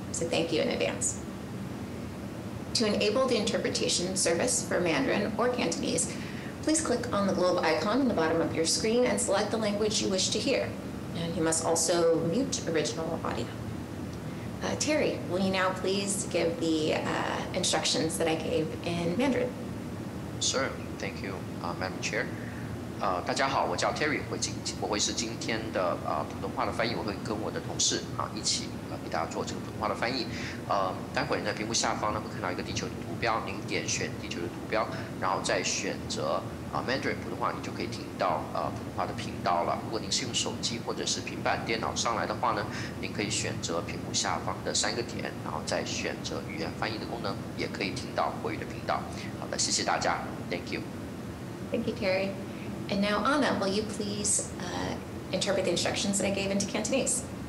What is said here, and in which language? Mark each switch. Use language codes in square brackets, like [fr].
[en] So thank you in advance. To enable the interpretation service for Mandarin or Cantonese, please click on the globe icon in the bottom of your screen and select the language you wish to hear. And you must also mute original audio. Terry, will you now please give the instructions that I gave in Mandarin? Certainly. Thank you, Madam Chair. [zh] 大家好，我叫Terry， 我会是今天的普通话的翻译，我会跟我的同事一起给大家做这个普通话的翻译。待会儿在屏幕下方呢会看到一个地球的图标，您点选地球的图标，然后再选择Mandarin 普通话，你就可以听到普通话的频道了。如果您是用手机或者是平板电脑上来的话呢，您可以选择屏幕下方的三个点，然后再选择语言翻译的功能，也可以听到国语的频道。好的，谢谢大家。 [en] Thank you. Thank you, Terry. And now, Anna, will you please interpret the instructions that I gave into Cantonese?